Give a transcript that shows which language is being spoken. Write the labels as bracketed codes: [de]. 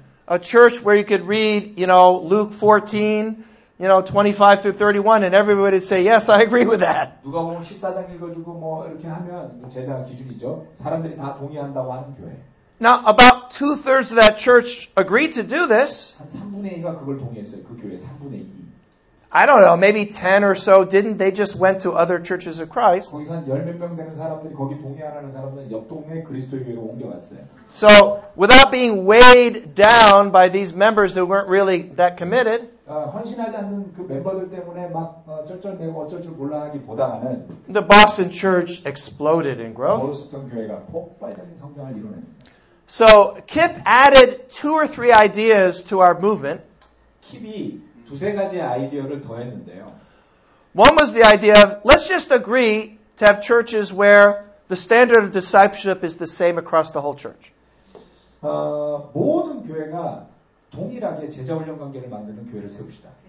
[en] A church where you could read, you know, Luke 14, you know, 25 through 31, and everybody would say, yes, I agree with that. [ko] 누가 보면 14장 읽어주고 뭐 이렇게 하면 제자 기준이죠. 사람들이 다 동의한다고 하는 교회. [en] Now, about two-thirds of that church agreed to do this. [ko] 한 3분의 2가 그걸 동의했어요. 그 교회 3분의 2. [en] I don't know, maybe 10 or so didn't. They just went to other churches of Christ. [ko] 거기서 한 열 몇 명 되는 사람들이 거기 동의하라는 사람들은 옆 동네 그리스도의 교회로 옮겨갔어요. [en] So, without being weighed down by these members who weren't really that committed, [ko] 헌신하지 않는 그 멤버들 때문에 막 쩔쩔매고 어쩔 줄 몰라하기보다는 [en] The Boston Church exploded in growth. [ko] 보스턴 교회가 폭발적인 성장을 이뤄냅니다. [en] So Kip added two or three ideas to our movement. [ko] Kip이 두세 가지 아이디어를 더했는데요. [en] One was the idea of let's just agree to have churches where the standard of discipleship is the same across the whole church. [ko] 모든 교회가 동일하게 제자 훈련 관계를 만드는 교회를 세웁시다.